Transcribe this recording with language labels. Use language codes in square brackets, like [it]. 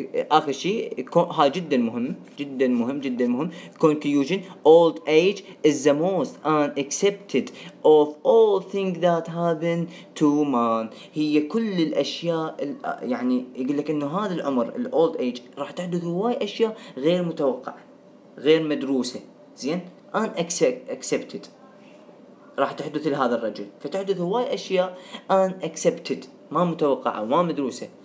[ar] آخر شيء هاي جدا مهم جدا مهم جدا مهم. [en] Conclusion: old age is the most unaccepted of all things that happen to man. [ar] هي كل الأشياء يعني يقول لك إنه هذا العمر ال [en] old age [ar] راح تحدث هواي أشياء غير متوقعة غير مدروسة. زين unaccepted راح تحدث لهذا الرجل, فتحدث هواي أشياء unaccepted ما متوقعة ما مدروسة.